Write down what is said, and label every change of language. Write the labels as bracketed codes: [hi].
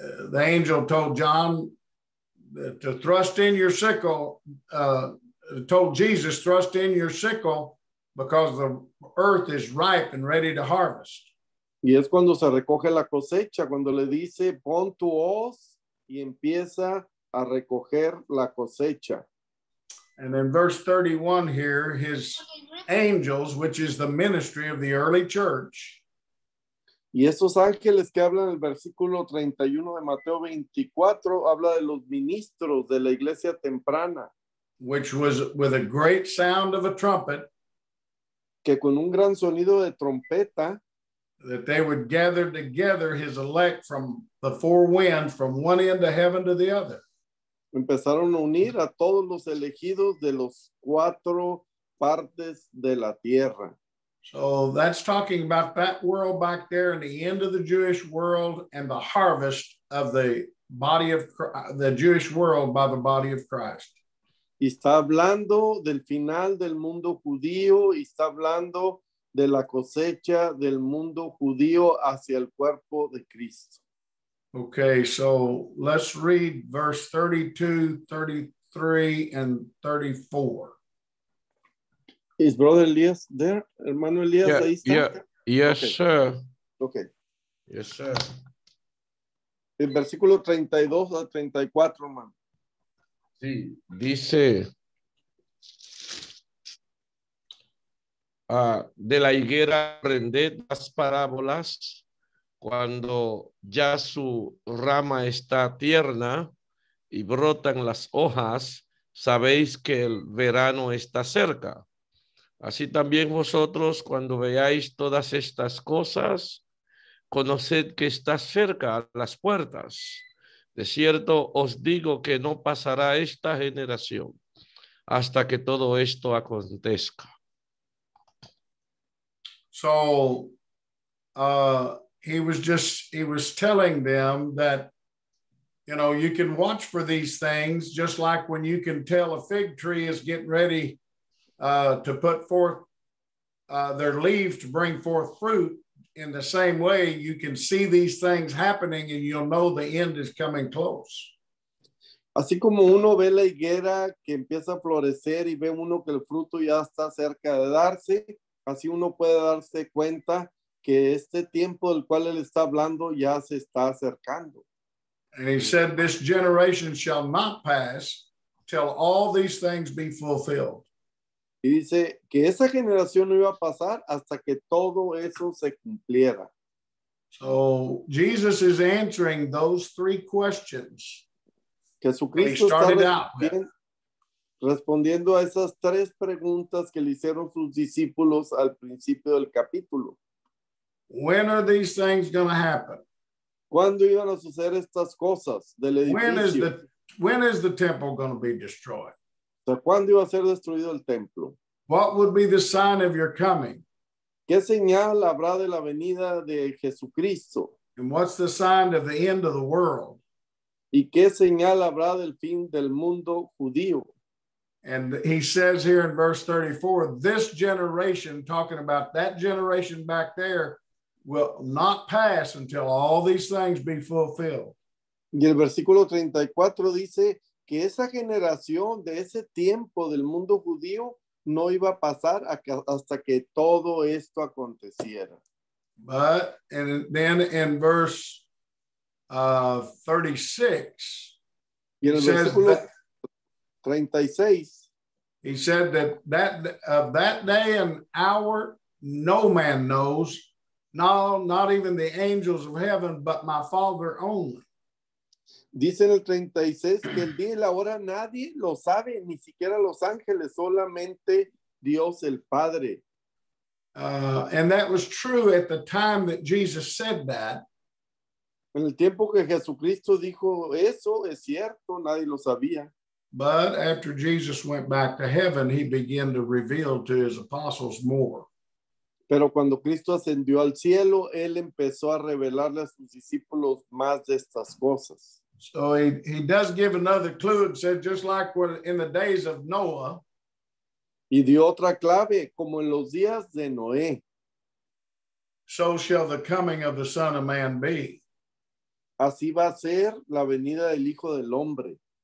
[en] The angel told John to thrust in your sickle, told Jesus, thrust in your sickle because the earth is ripe and ready to harvest. [es] Y es cuando se recoge la cosecha, cuando le dice, pon tu hoz y empieza a recoger la cosecha. [en] And in verse 31 here, his angels, which is the ministry of the early church. [es] Y esos ángeles que hablan en el versículo 31 de Mateo 24, habla de los ministros de la iglesia temprana. [en] Which was with a great sound of a trumpet. [es] Que con un gran sonido de trompeta. [en] That they would gather together his elect from the four winds, from one end of heaven to the other. [es] Empezaron a unir a todos los elegidos de los cuatro partes de la tierra. [en] So that's talking about that world back there in the end of the Jewish world and the harvest of the body of Christ, the Jewish world by the body of Christ. [es] Y está hablando del final del mundo judío y está hablando de la cosecha del mundo judío hacia el cuerpo de Cristo. [en] Okay, so let's read verse 32, 33, and 34. Is Brother Elias there? [es] Hermano Elias, [en] yeah, [es] ahí está? [en] Yeah. Yes, okay. Sir. Okay. Yes, sir. [es] El versículo 32 al 34, hermano. Sí, dice de la higuera aprende las parábolas. Cuando ya su rama está tierna y brotan las hojas, sabéis que el verano está cerca. Así también vosotros, cuando veáis todas estas cosas, conoced que está cerca las puertas. De cierto os digo que no pasará esta generación hasta que todo esto acontezca. [en] So, He was telling them that, you know, you can watch for these things, just like when you can tell a fig tree is getting ready to put forth their leaves to bring forth fruit. In the same way, you can see these things happening and you'll know the end is coming close. [es] Así como uno ve la higuera que empieza a florecer y ve uno que el fruto ya está cerca de darse, Así uno puede darse cuenta que este tiempo del cual él está hablando ya se está acercando. [en] And he said, this generation shall not pass till all these things be fulfilled. [es] Y dice que esa generación no iba a pasar hasta que todo eso se cumpliera. [en] So Jesus is answering those three questions. [es] Jesucristo está respondiendo a esas tres preguntas que le hicieron sus discípulos al principio del capítulo. [en] When are these things going to happen? [es] ¿Cuándo iban a suceder estas cosas del edificio? [en] When is the temple going to be destroyed? [es] ¿Cuándo iba a ser destruido el templo? [en] What would be the sign of your coming? [es] ¿Qué señal habrá de la venida de Jesucristo? [en] And what's the sign of the end of the world? [es] ¿Y qué señal habrá del fin del mundo judío? [en] And he says here in verse 34, this generation, talking about that generation back there, will not pass until all these things be fulfilled. [es] Y el versículo 34 dice que esa generación de ese tiempo del mundo judío no iba a pasar hasta que todo esto aconteciera. [en] But and then in verse 36, [es] y en el versículo 36, [en] he said that of that day and hour no man knows, not even the angels of heaven, but my Father only. [es] Dice en el 36 que el día y la hora nadie lo sabe, ni siquiera los ángeles, solamente Dios el Padre. [en] And that was true at the time that Jesus said that. [es] En el tiempo que Jesucristo dijo eso, es cierto, nadie lo sabía. [en] But after Jesus went back to heaven, he began to reveal to his apostles more. [es] Pero cuando Cristo ascendió al cielo, él empezó a revelarle a sus discípulos más de estas cosas. [en] So he does give another clue and said, just like in the days of Noah. [es] Y dio otra clave, como en los días de Noé. [en] So shall the coming of the Son of Man be. [es] Así va a ser la venida del Hijo del Hombre.